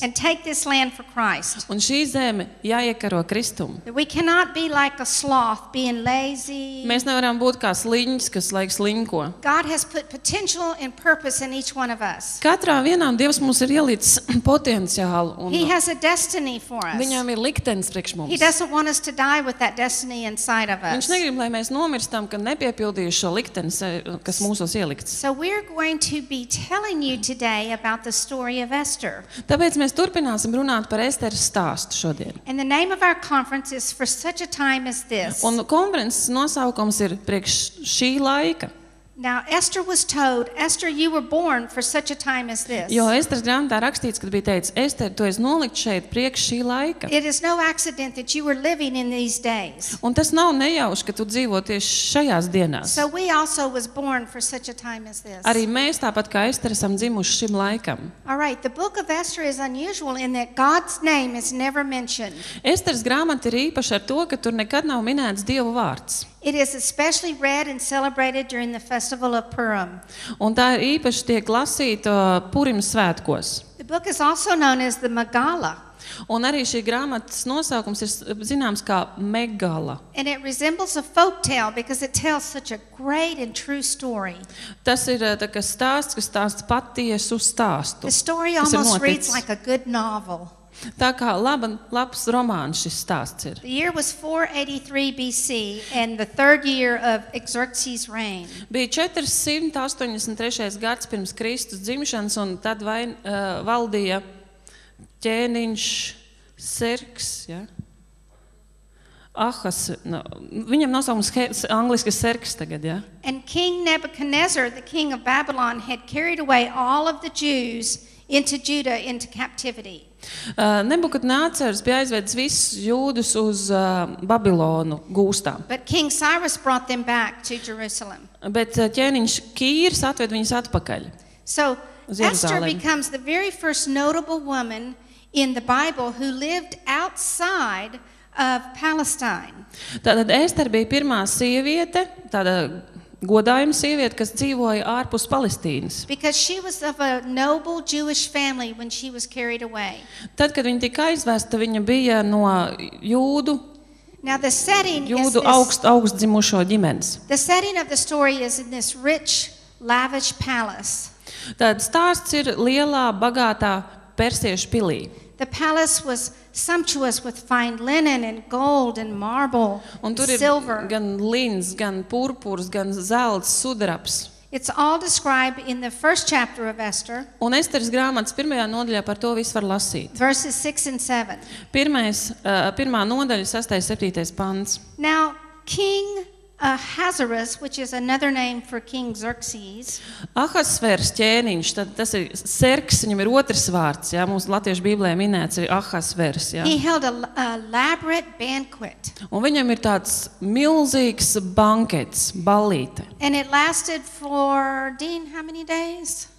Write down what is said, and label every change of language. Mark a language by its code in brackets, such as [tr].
[en] And take this land for Christ. [lv] Un šī zeme jāiekaro Kristum. [en] We cannot be like a sloth, being lazy. [lv] Mēs nevaram būt kā sliņķis, kas laik slinko. [en] God has put potential and purpose in each one of us. [lv] Katrā vienā Dievs mums ir ielicis potenciālu un [en] He has a destiny for us. [lv] Viņam ir liktenis priekš mums. [en] He doesn't want us to die with that destiny inside of us. [lv] Viņš negrib, lai mēs nomirstam, ka nepiepildījuši šo liktenis, kas mūsos ielikts. [en] So we're going to be telling you today about the story of Esther. [lv] Tāpēc mēs turpināsim runāt par Esteras stāstu šodien. [en] And the name of our conference is for such a time as this. [lv] Un konferences nosaukums ir priekš šī laika. [en] Now Esther was told, Esther, you were born for such a time as this. [lv] Jo Esteras grāmatā rakstīts, kad bija teicis, Ester, tu esi nolikts šeit priekš šī laika. [en] It is no accident that you were living in these days. [lv] Un tas nav nejauši, ka tu dzīvo tieši šajās dienās. [en] So we also was born for such a time as this. [lv] Arī mēs tāpat kā Ester esam dzimuši šim laikam. [en] All right, the book of Esther is unusual in that God's name is never mentioned. [lv] Esteras grāmata ir īpaša ar to, ka tur nekad nav minēts Dieva vārds. [en] It is especially read and celebrated during the festival of Purim. [lv] Un tā ir īpaši tiek lasīta Purim svētkos. [en] The book is also known as the Megala. [lv] Un arī šī grāmatas nosaukums ir zināms kā Megala. [en] And it resembles a folk tale because it tells such a great and true story. [lv] Tas ir tāds stāsts, kas stāsts patiesu stāstu. [en] The story almost reads like a good novel. [lv] Tā kā labs romāns šis stāsts ir. [en] The year was 483 BC and the third year of Xerxes' reign. [lv] Bija 483. Gads pirms Kristus dzimšanas un tad valdīja ķēniņš Serks, ja? Ahas, no, viņam nosaukums angliski serks tagad, ja? [en] And King Nebuchadnezzar, the king of Babylon, had carried away all of the Jews into Judah into captivity. [lv] Nebukadnācārs bija aizvedis visus jūdus uz Babilonu gūstā. [en] But King Cyrus brought them back to Jerusalem. [lv] Bet ķēniņš Kīrs atved viņus atpakaļ. [en] So Esther becomes the very first notable woman in the Bible who lived outside of Palestine. [lv] Tātad Ester bija pirmā sieviete, tāda godājuma sieviete, kas dzīvoja ārpus Palestīnas. [en] Because she was of a noble Jewish family when she was carried away. [lv] Tad, kad viņa tika aizvesta, viņa bija no jūdu. [en] Now the setting [lv] jūdu [en] is this, [lv] augst dzimušo ģimenes. [en] The setting of the story is in this rich, lavish palace. [lv] Tad stāsts ir lielā, bagātā persiešu pilī. [en] The palace was sumptuous with fine linen and gold and marble and silver. [lv] Gan lins, gan purpurs, gan zelts, sudraps. [en] It's all described in the first chapter of Esther. [lv] Un Esteras grāmatas pirmajā nodaļā par to viss var lasīt. [en] Verses 6 and 7. [lv] Pirmā nodaļa, 6. 7. pants. [en] Now, King Ahasuerus, which is another name for King Xerxes. [lv] Ahasvers ķēniņš, tad tas ir Serks, viņam ir otrs vārds, ja, mūsu latviešu Bībelē minēts ir Ahasvers, ja. [en] He held a elaborate banquet. [lv] Un viņam ir tāds milzīgs bankets, ballīte. [en] And it lasted for Dean, how many days?